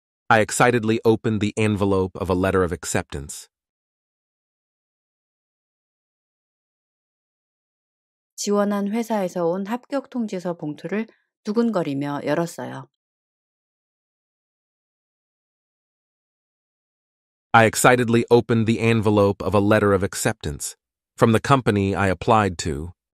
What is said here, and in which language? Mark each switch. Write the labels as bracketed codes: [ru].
[en] I excitedly opened the envelope of a letter of acceptance. [ko] 지원한 회사에서 온 합격 통지서 봉투를 두근거리며 열었어요. [en] I excitedly opened the envelope of a letter of acceptance from the company I applied to.